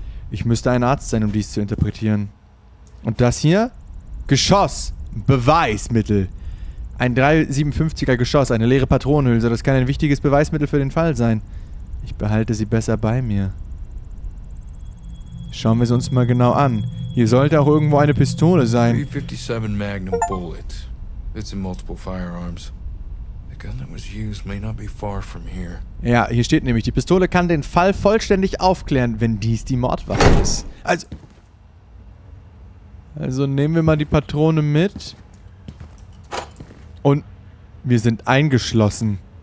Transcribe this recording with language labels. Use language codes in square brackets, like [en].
[de] Ich müsste ein Arzt sein, um dies zu interpretieren. Und das hier? Geschoss. Beweismittel. Ein 357er Geschoss, eine leere Patronenhülse. Das kann ein wichtiges Beweismittel für den Fall sein. Ich behalte sie besser bei mir. Schauen wir es uns mal genau an. Hier sollte auch irgendwo eine Pistole sein. [en] 357 Magnum Bullet. It's in multiple firearms. The gun that was used may not be far from here. [de] Ja, hier steht nämlich, die Pistole kann den Fall vollständig aufklären, wenn dies die Mordwaffe ist. Also nehmen wir mal die Patrone mit. Und wir sind eingeschlossen.